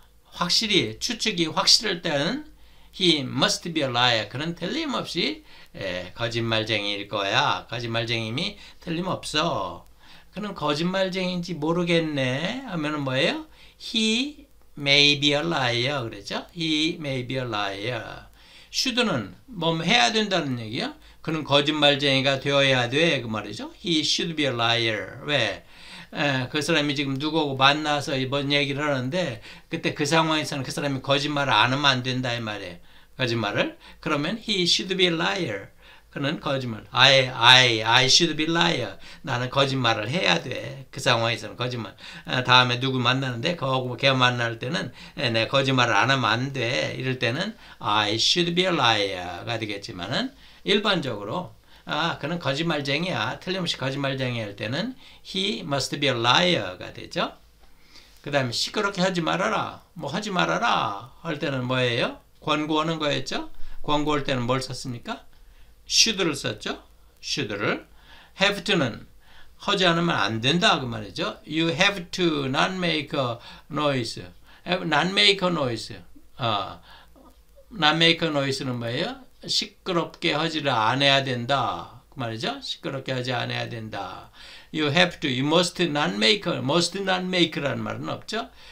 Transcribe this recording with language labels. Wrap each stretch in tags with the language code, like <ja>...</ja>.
<ko>확실히 추측이 확실할 때는</ko> <en>he must be a liar.</en> <ko>그는 틀림없이 거짓말쟁이일 거야. 거짓말쟁이임이 틀림없어. 그는 거짓말쟁이인지 모르겠네. 하면은 뭐예요?</ko> <en>He may be a liar.</en> <ko>그랬죠?</ko> <en>He may be a liar.</en> <ko>Should는 뭐 해야 된다는 얘기야? 그는 거짓말쟁이가 되어야 돼. 그 말이죠.</ko> <en>He should be a liar.</en> <ko>왜? 그 사람이 지금 누구하고 만나서 이번 얘기를 하는데, 그때 그 상황에서는 그 사람이 거짓말을 안 하면 안 된다. 이 말이에요. 거짓말을. 그러면</ko> <en>he should be a liar.</en> <ko>그는 거짓말.</ko> <en>I should be liar.</en> <ko>나는 거짓말을 해야 돼. 그 상황에서는 거짓말. 다음에 누구 만나는데, 그하고 걔 만날 때는, 내 거짓말을 안 하면 안 돼. 이럴 때는</ko> <en>I should be a liar</en> <ko>가 되겠지만은, 일반적으로, 아, 그는 거짓말쟁이야. 틀림없이 거짓말쟁이 할 때는</ko> <en>he must be a liar</en> <ko>가 되죠. 그 다음에 시끄럽게 하지 말아라. 뭐 하지 말아라. 할 때는 뭐예요? 권고하는 거였죠? 권고할 때는 뭘 썼습니까? should를 썼죠? should를. have to는 하지 않으면 안 된다. 그 말이죠.</ko> <en>You have to not make a noise. Have not make a noise. not make a noise는</en> <ko>뭐예요? 시끄럽게 하지를 안 해야 된다. 그 말이죠. 시끄럽게 하지 않아야 된다.</ko> <en>You have to, you must not make, must not make라는</en> <ko>말은 없죠.</ko>